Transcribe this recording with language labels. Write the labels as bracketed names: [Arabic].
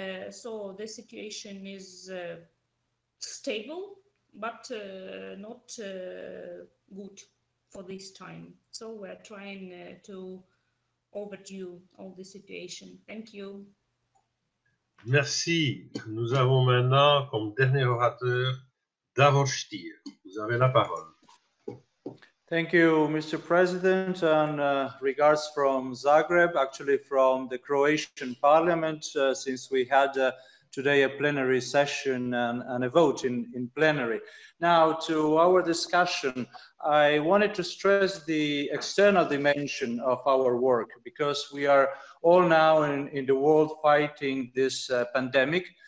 [English] So the situation is stable, but not good for this time. So we're trying to overdo all the situation. Thank you. [French] Merci. Nous avons maintenant comme dernier orateur Davor Stier. Vous avez la parole. [English] Thank you, Mr. President, and regards from Zagreb, actually from the Croatian Parliament, since we had today a plenary session and a vote in plenary. Now, to our discussion, I wanted to stress the external dimension of our work, because we are all now in the world fighting this pandemic.